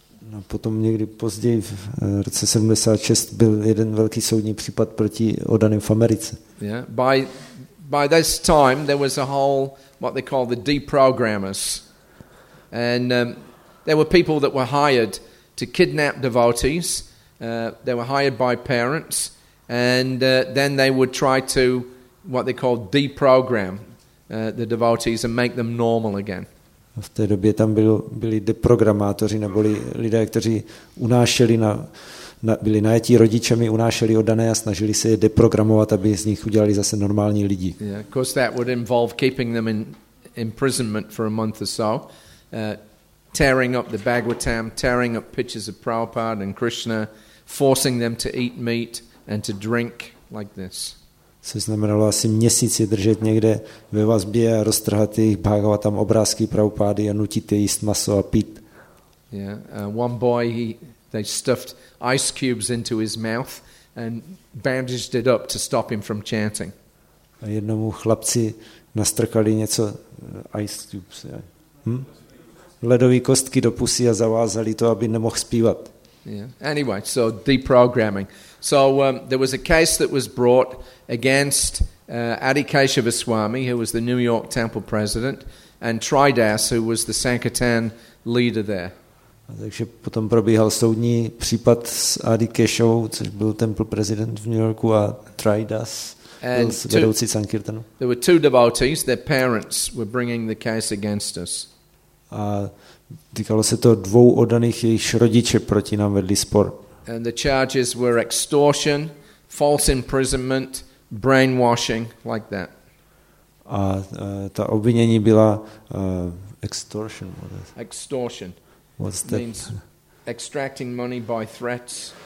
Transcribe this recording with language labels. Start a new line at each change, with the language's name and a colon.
Czech: No, potom někdy později v roce 76 byl jeden velký soudní případ proti oddaným v Americe.
English: Yeah, by this time there was a whole what they call the deprogrammers, and there were people that were hired to kidnap devotees. They were hired by parents, and then they would try to what they call deprogram the devotees and make them normal again.
Czech: V té době tam byli deprogramátoři, neboli lidé, kteří unášeli byli najetí rodičemi, unášeli oddané a snažili se je deprogramovat, aby z nich udělali zase normální lidi.
English: Yeah, of course that would involve keeping them in imprisonment for a month or so, tearing up the Bhagavatam, tearing up pictures of Prabhupada and Krishna, forcing them to eat meat and to drink like this.
Czech: Což znamenalo asi měsíc je držet někde ve vazbě a roztrhat jejich Bhagavatam tam obrázky Prabhupády a nutit je jíst maso a pít.
English: Yeah, one boy they stuffed ice cubes into his mouth and bandaged it up to stop him from chanting.
Czech: A jednomu chlapci nastrkali něco
English: ice cubes.
Czech: Ledové kostky do pusy a zavázali to, aby nemohl zpívat.
English: Yeah. Anyway, so deprogramming. So there was a case that was brought against Adi Keshava Swami, who was the New York Temple president, and Tridas, who was the Sankirtan leader there.
Czech: A takže potom probíhal soudní případ s Adi Keshavou, což byl
English: temple president
Czech: v New Yorku, a Tridas byl vedoucí Sankirtanu.
English: There were two devotees, their parents were bringing the case against us.
Czech: A týkalo se to dvou oddaných, jejichž rodiče proti nám vedli spor.
English: And the charges were extortion, false imprisonment, brainwashing, like that.
Czech: A ta obvinění byla extortion.
English: Extortion. What's that? Means extracting money by threats.